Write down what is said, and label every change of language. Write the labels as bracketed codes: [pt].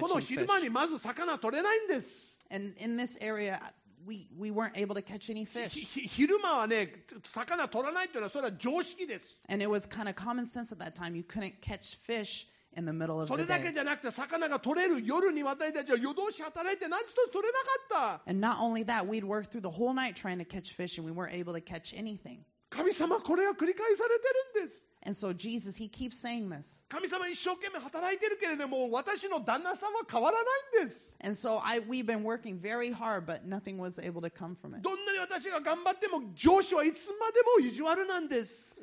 [ja] この昼間にまず魚取れないんです。 [en] And in this area, we weren't able to catch any fish. [ja] 昼間はね、魚取らないというのはそれは常識です。 [en] And it was kind of common sense at that time. You couldn't catch fish. In the middle of [ja] それだけじゃなくて魚が取れる夜に私たちは夜通し働いて何一つ取れなかった。 [en] And not only that, we'd work through the whole night trying to catch fish and we weren't able to catch anything. [ja] 神様これは繰り返されてるんです。 [en] And so Jesus, he keeps saying this. [ja] 神様一生懸命働いてるけれども私の旦那さんは変わらないんです。 [en] And so we've been working very hard, but nothing was able to come from it. [ja] どんなに私が頑張っても上司はいつまでも意地悪なんです。